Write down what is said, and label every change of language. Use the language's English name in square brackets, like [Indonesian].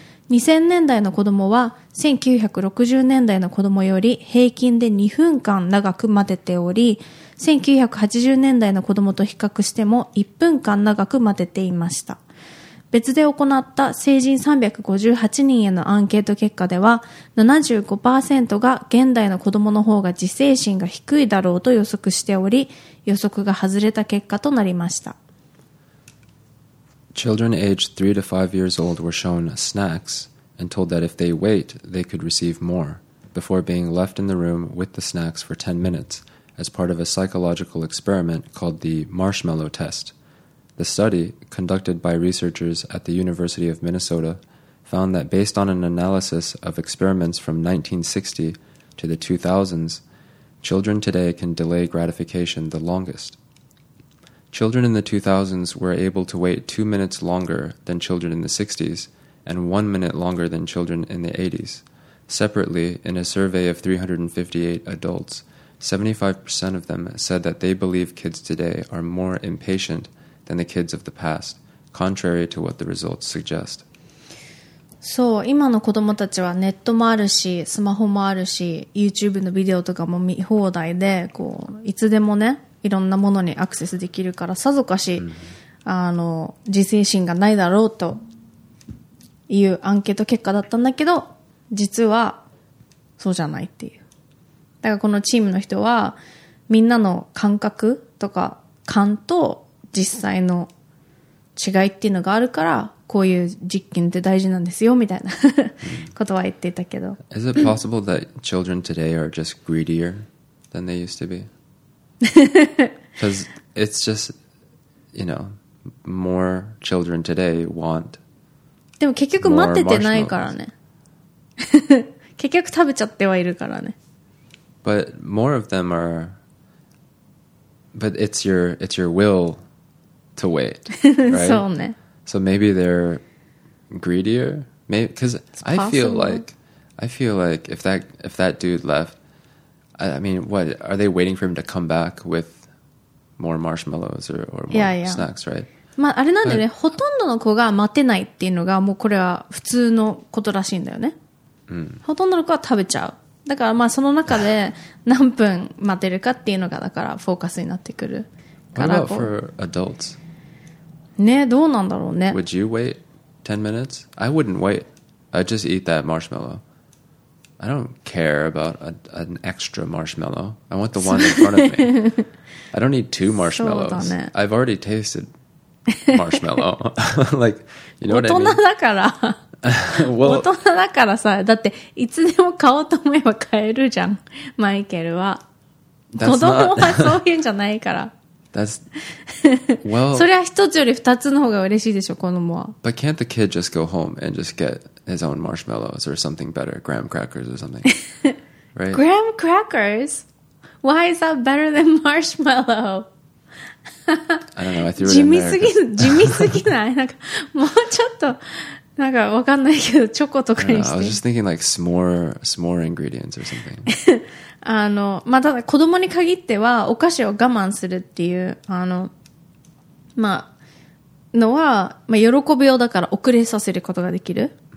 [Japanese] 2000年代の子供は1960年代の子供より平均で2分間長く待てており、1980年代の子供と比較しても1分間長く待てていました。別で行った成人358人へのアンケート結果では、75% が現代の子供の方が自制心が低いだろうと予測しており、予測が外れた結果となりました。 [English] Children aged 3 to 5 years old were shown snacks and told that if they wait, they could receive more before being left in the room with the snacks for 10 minutes as part of a psychological experiment called the marshmallow test. The study, conducted by researchers at the University of Minnesota, found that based on an analysis of experiments from 1960 to the 2000s, children today can delay gratification the longest. Children in the 2000s were able to wait 2 minutes longer than children in the 60s and 1 minute longer than children in the 80s. Separately, in a survey of 358 adults, 75% of them said that they believe kids today are more impatientthan the kids of the past, contrary to what the results suggest. [Japanese] そう、今の子供たちはネットもあるし、スマホもあるし、YouTube のビデオとかも見放題で、こう、いつでもね、いろんなものにアクセスできるから、さぞかし、あの、自制心がないだろうというアンケート結果だったんだけど、実はそうじゃないっていう。だからこのチームの人は、みんなの感覚とか感と、実際の違いっていうのがあるから、こういう実験って大事なんですよみたいなことは言っていたけど。 [English] Is it possible that children today are just greedier than they used to be? Because it's just, you know, more children today want. [Japanese] でも結局待っててないからね。結局食べちゃってはいるからね。 [English] But more of them are. But it's your will. To wait, right? [Japanese] そうね。 [English] So maybe they're greedier, maybe because I feel like if that dude left, I mean, what are they waiting for him to come back with more marshmallows or more yeah, yeah. snacks, right? [Japanese] まああれなんだよね。ほとんどの子が待てないっていうのがもうこれは普通のことらしいんだよね。ほとんどの子は食べちゃう。だからまあその中で何分待てるかっていうのがだからフォーカスになってくるから。 [English] What about for adults? [Japanese] ね、どうなんだろうね。 [English] Would you wait 10 minutes? I wouldn't wait. I'd just eat that marshmallow. I don't care about an extra marshmallow. I want the one in front of me. I don't need two marshmallows. [Japanese] そうだね。 [English] I've already tasted marshmallow. like, you know what I mean? [Japanese] 大人だから。 [English] well, [Japanese] 大人だからさ、だっていつでも買おうと思えば買えるじゃん、マイケルは。子供はそういうんじゃないから。 [English] That's, well, [Japanese] それは一つより二つの方が嬉しいでしょ、子供は。 [English] But can't the kid just go home and just get his own marshmallows or something better, graham crackers or something? Right? Graham crackers? Why is that better than marshmallow? I don't know, I threw it in there. [Japanese] 地味すぎない? なんかもうちょっとなんかわかんないけどチョコとかにして [English] I was just thinking like s'more ingredients or something. [Japanese] あのまあ、ただ子供に限ってはお菓子を我慢するっていうあのまあのは、まあ、喜びをだから遅れさせることができる、